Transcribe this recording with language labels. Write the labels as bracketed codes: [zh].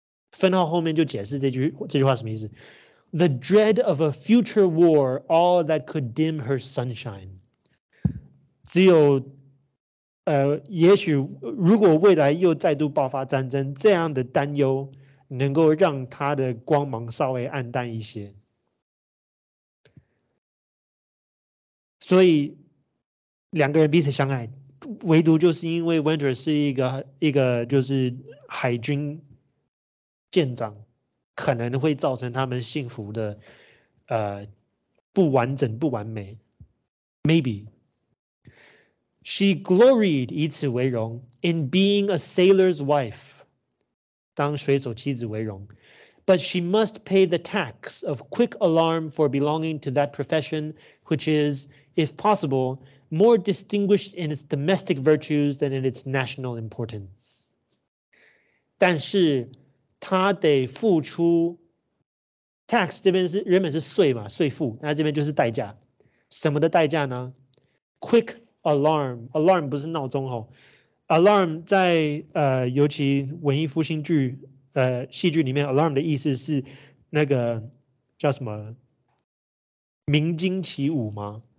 [zh] 分号后面就解释这句话什么意思。 [en] The dread of a future war, all that could dim her sunshine. [zh] 只有也许如果未来又再度爆发战争，这样的担忧能够让他的光芒稍微暗淡一些。所以两个人彼此相爱，唯独就是因为 Wentworth 是一个就是海军舰长，可能会造成他们幸福的不完整不完美。 [en] Maybe She gloried [zh] 以此为荣 [en] in being a sailor's wife， [zh] 当水手妻子为荣。 [en] But she must pay the tax of quick alarm for belonging to that profession which is if possible more distinguished in its domestic virtues than in its national importance。 [zh] 但是他得付出 tax， 这边是原本是税嘛，税负，那这边就是代价，什么的代价呢？ Quick alarm， alarm 不是闹钟哦， alarm 在尤其文艺复兴剧戏剧里面， alarm 的意思是那个叫什么鸣金起舞吗？